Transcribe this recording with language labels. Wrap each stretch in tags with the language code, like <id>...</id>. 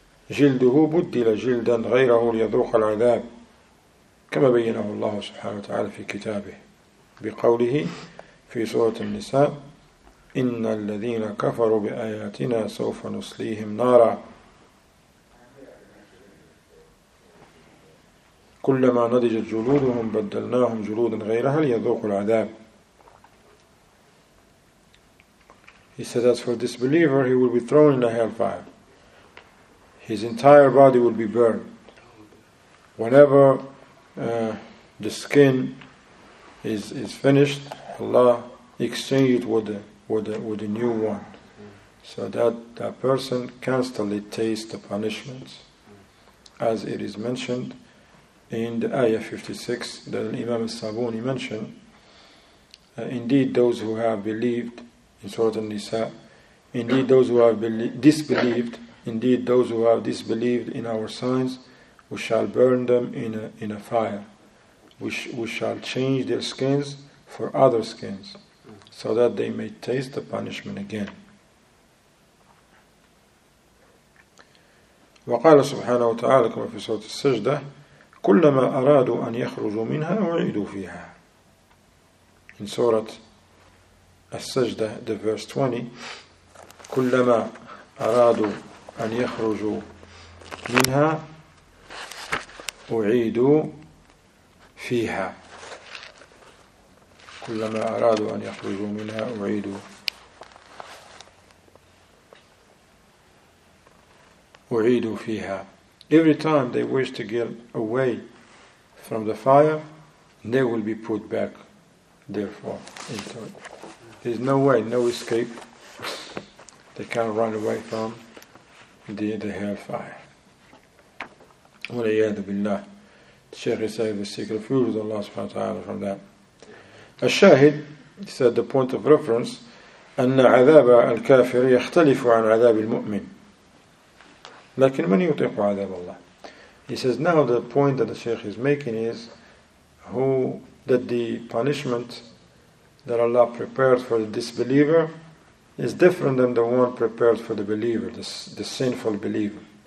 <ar>جلده بدل جلدا غيره ليذوق العذاب كما بينه الله سبحانه وتعالى في كتابه بقوله في سورة النساء إن الذين كفروا بآياتنا سوف نصليهم نارا كلما نضجت جلودهم بدلناهم جلودا غيرها ليذوقوا العذاب.</ar> <en>He said, as for this believer, he will be thrown in the hellfire. His entire body will be burned. Whenever the skin is finished, Allah exchange it with the new one, so that person constantly tastes the punishments, as it is mentioned in the ayah 56 that Imam al-Sabuni mentioned. Indeed, those who have believed in Surah An-Nisa, indeed those who have disbelieved, indeed those who have disbelieved in our signs, we shall burn them in a fire. We shall change their skins for other skins, so that they may taste the punishment again.</en> <ar>وقال سبحانه وتعالى كما في سورة السجدة كلما أرادوا أن يخرجوا منها أعيدوا فيها.</ar> <en>In Surah السجدة, the verse 20,</en> <ar>كلما أرادوا أن يخرجوا منها أعيدوا فيها. كلما أرادوا أن يخرجوا منها أعيدوا فيها.</ar> <en>Every time they wish to get away from the fire, they will be put back, therefore, into it. There's no way, no escape. They can't run away from the hellfire.</en> <ar>وَلَيَّذُ بِاللَّهِ الشَّيْخِ سَيْهِ بِالسِّكْرِ فُيُرُضُ اللَّهُ سُبْحَانَهُ وَتَعَالَى</ar> <en>from that.</en> <ar>الشاهد,</ar> <en>he said, the point of reference,</en> <ar>أَنَّ عَذَابَ الْكَافِرِ يَخْتَلِفُ عَنْ عَذَابِ الْمُؤْمِنِ. لكن من يطيق عذاب الله.</ar> <en>He says now the point that the Shaykh is making is that the punishment that Allah prepared for the disbeliever is different than the one prepared for the believer, the sinful believer.</en>